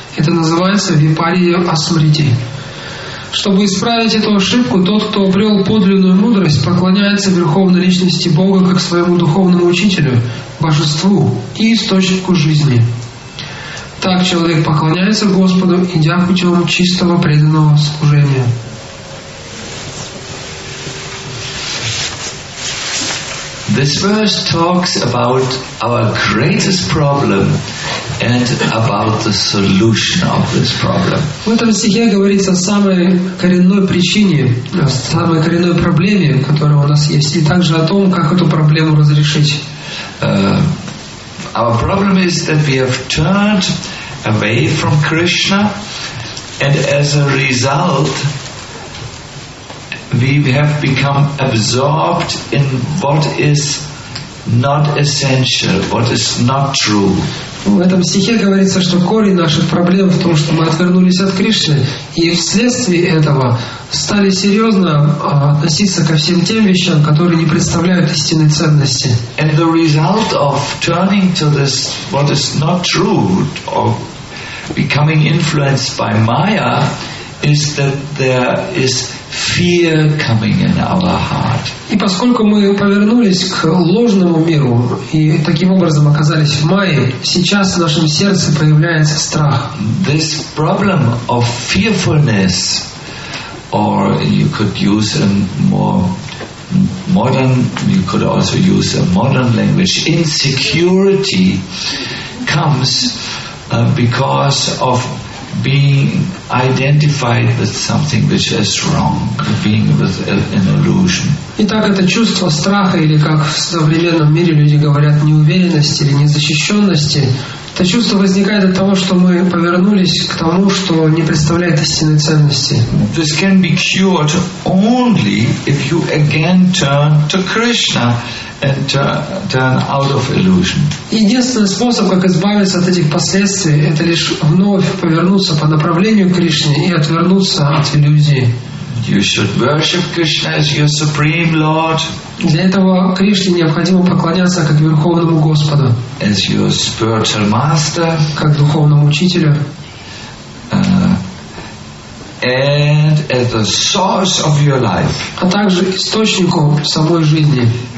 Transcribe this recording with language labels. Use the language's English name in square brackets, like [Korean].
[Russian] Это называется випария асмрити. Чтобы исправить эту ошибку, тот, кто обрел подлинную мудрость, поклоняется Верховной Личности Бога как своему духовному учителю, божеству и источнику жизни. Так человек поклоняется Господу, идя путем чистого преданного служения. [English] This verse talks about our greatest problem and about the solution of this problem. [Russian] В этом стихе говорится о самой коренной причине, о самой коренной проблеме, которая у нас есть, и также о том, как эту проблему разрешить. [English] Our problem is that we have turned away from Krishna, and as a result, we have become absorbed in what is not essential, what is not true. [Russian] В этом стихе говорится, что корень наших проблем в том, что мы отвернулись от Кришны, и вследствие этого стали серьезно относиться ко всем тем вещам, которые не представляют истинной ценности. [English] And the result of turning to this what is not true or becoming influenced by Maya is that there is fear coming in our heart. [Russian] И поскольку мы повернулись к ложному миру и таким образом оказались в Майе, сейчас в нашем сердце появляется страх. [English] This problem of fearfulness, or you could use a more modern, you could also use a modern language, insecurity, comes because of being identified with something which is wrong, being with an illusion. [Russian] Итак, это чувство страха, или как в современном мире люди говорят, неуверенности или незащищенности, это чувство возникает от того, что мы повернулись к тому, что не представляет истинной ценности. [English] This can be cured only if you again turn to Krishna and turn out of illusion. [Russian] Единственный способ, как избавиться от этих последствий, это лишь вновь повернуться по направлению к Кришне и отвернуться от иллюзии. [English] You should worship Krishna as your supreme Lord. [Russian] Для этого Кришне необходимо поклоняться как Верховному Господу. [English] As your spiritual master. [Russian] Как духовному учителю. [English] And as the source of your life. [Russian] А также источником самой жизни.